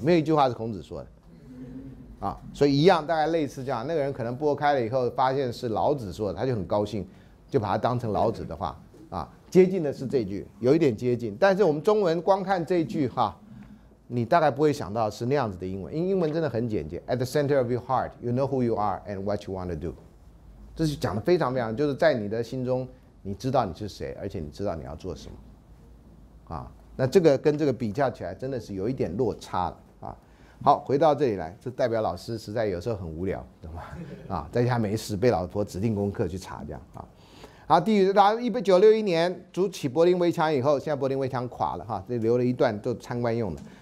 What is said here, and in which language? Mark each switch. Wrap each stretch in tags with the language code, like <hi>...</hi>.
<zh>没有一句话是孔子说的，啊，所以一样，大概类似这样。那个人可能拨开了以后，发现是老子说的，他就很高兴，就把它当成老子的话，啊，接近的是这句，有一点接近。但是我们中文光看这句哈，你大概不会想到是那样子的英文，因为英文真的很简洁。</zh> <en>At the center of your heart, you know who you are and what you want to do。</en> <zh>这是讲的非常非常，就是在你的心中，你知道你是谁，而且你知道你要做什么，啊。那这个跟这个比较起来真的是有一点落差了啊。好，回到这里来，这代表老师实在有时候很无聊，懂吗？啊，在家没事被老婆指定功课去查这样啊。好，第一，他1961年筑起柏林围墙以后，现在柏林围墙垮了哈，这留了一段都参观用的。</zh>